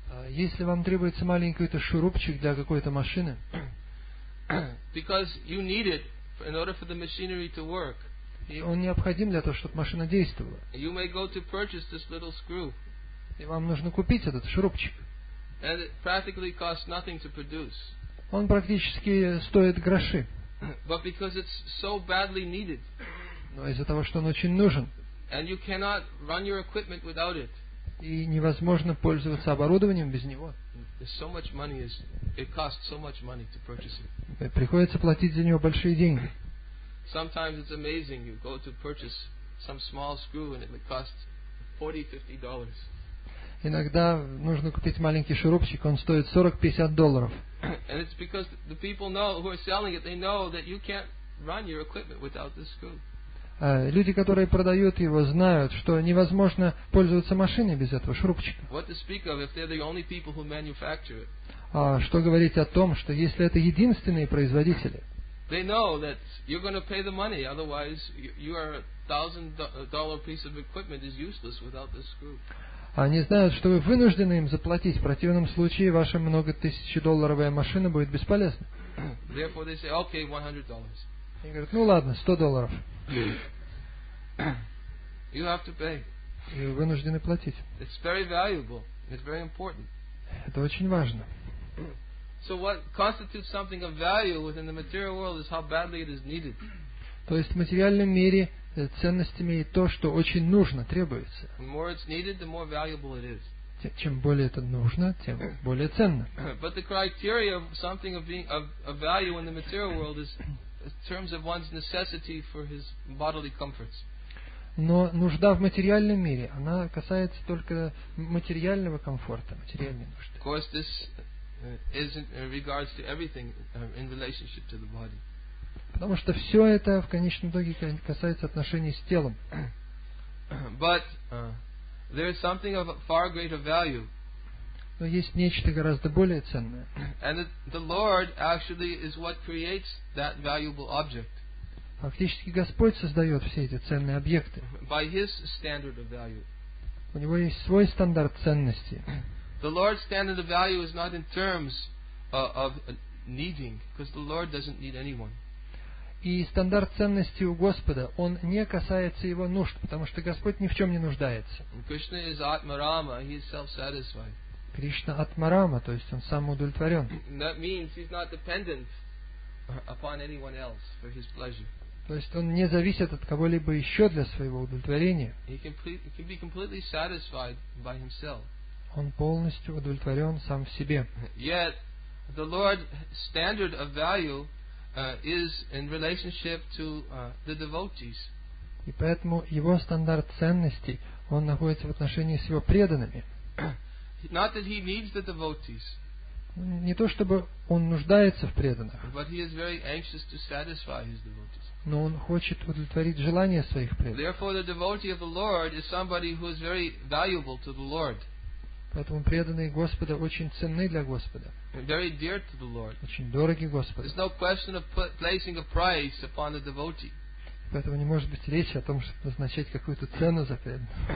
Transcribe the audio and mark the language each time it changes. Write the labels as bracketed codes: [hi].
[ru] Если вам требуется маленький шурупчик для какой-то машины. [en] Because you need it in order for the machinery to work. [ru] Он необходим для того, чтобы машина действовала. [en] You may go to purchase this little screw. [ru] И вам нужно купить этот шурупчик. [en] And it practically costs nothing to produce. [ru] Он практически стоит гроши. [en] But because it's so badly needed. [ru] Но из-за того, что он очень нужен. [en] And you cannot run your equipment without it. [ru] И невозможно пользоваться оборудованием без него. [en] So much money is, it costs so much money to purchase it. [ru] Приходится платить за него большие деньги. [en] Sometimes it's amazing you go to purchase some small screw and it costs $40-$50. [ru] иногда нужно купить маленький шурупчик, он стоит 40-50 долларов. [en] And it's because the people know who are selling it, they know that you can't run your equipment without this screw. [ru] Люди, которые продают его, знают, что невозможно пользоваться машиной без этого шурупчика. [en] What to speak of if they're the only people who manufacture it? [ru] Что говорить о том, что если это единственные производители? [en] They know that you're going to pay the money, otherwise you are $1,000 piece of equipment is useless without this screw. [ru] Они знают, что вы вынуждены им заплатить. В противном случае ваша многотысячедолларовая машина будет бесполезна. [en] Therefore they say, okay, $100. [ru] Они говорят, ну ладно, $100. [en] You have to pay. [ru] И вы вынуждены платить. [en] It's very valuable. It's very important. [ru] Это очень важно. [en] So what constitutes something of value within the material world is how badly it is needed. [ru] То есть в материальном мире ценностями и то, что очень нужно, требуется. [en] The more it's needed, the more valuable it is. [ru] Чем более это нужно, тем более ценно. [en] But the criteria of something of being of value in the material world is in terms of one's necessity for his bodily comforts. [ru] Но нужда в материальном мире, она касается только материального комфорта, материальной нужды. [en] Of course, this is in regards to everything in relationship to the body. [ru] Потому что все это в конечном итоге касается отношений с телом. [en] But there is something of far greater value. [ru] Но есть нечто гораздо более ценное. [en] And the Lord actually is what creates that valuable object. [ru] Фактически Господь создает все эти ценные объекты. [en] By His standard of value. [ru] У него есть свой стандарт ценности. [en] The Lord's standard of value is not in terms of needing, because the Lord doesn't need anyone. [ru] И стандарт ценности у Господа, он не касается его нужд, потому что Господь ни в чем не нуждается. [en] Krishna is Atmarama, he is self-satisfied. [ru] Кришна Атмарама, то есть он самоудовлетворен. [en] That means he's not dependent upon anyone else for his pleasure. [ru] То есть он не зависит от кого-либо еще для своего удовлетворения. [en] He can be completely satisfied by himself. [ru] Он полностью удовлетворен сам в себе. [en] Yet the Lord's standard of value is in relationship to the devotees. [ru] И поэтому его стандарт ценностей, он находится в отношении с его преданными. [en] Not that he needs the devotees. [ru] Не то чтобы он нуждается в преданных. [en] But he is very anxious to satisfy his devotees. [ru] Но он хочет удовлетворить желания своих преданных. [en] Therefore, the devotee of the Lord is somebody who is very valuable to the Lord. [ru] Поэтому преданные Господа очень ценны для Господа. [en] Very dear to the Lord. [ru] Очень дороги Господу. [en] There's no question of placing a price upon the devotee. [ru] Поэтому не может быть речи о том, чтобы назначать какую-то цену за преданного.